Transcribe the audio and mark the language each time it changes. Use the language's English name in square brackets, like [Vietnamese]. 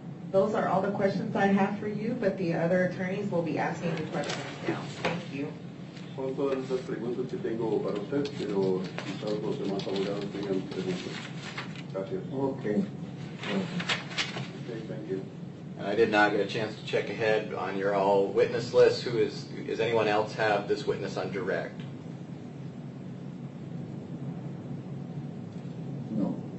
[English] Those are all the questions I have for you, but the other attorneys will be asking the questions now. Thank you. [Spanish] Son todas esas preguntas que tengo para usted, pero quizás los demás abogados tengan preguntas. Gracias. [English] Okay. Okay, thank you. And I did not get a chance to check ahead on your all witness list. Who is, does anyone else have this witness on direct? No.